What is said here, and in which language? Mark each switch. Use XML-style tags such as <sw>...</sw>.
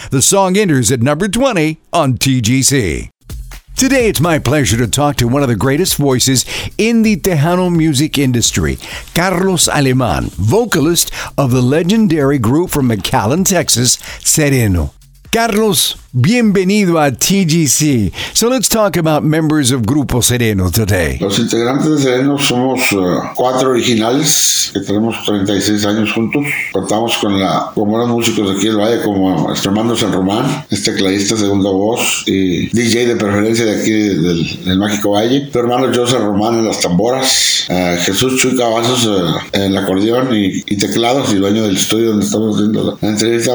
<en>The song enters at number 20 on TGC. Today, it's my pleasure to talk to one of the greatest voices in the Tejano music industry, Carlos Alemán, vocalist of the legendary group from McAllen, Texas, Sereno.</en> <es>Carlos, bienvenido a TGC.</es> <en>So let's talk about members of Grupo Sereno today.</en> <es>Los integrantes de Sereno somos cuatro originales que tenemos 36 años juntos. Contamos con la como los músicos de aquí del Valle, como Hermano San Román, este tecladista segunda voz y DJ de preferencia de aquí del Mágico Valle. Tu hermano José Román en las tamboras, Jesús Chuy Cavazos en el acordeón y teclados y dueño del estudio donde estamos haciendo la entrevista.</es>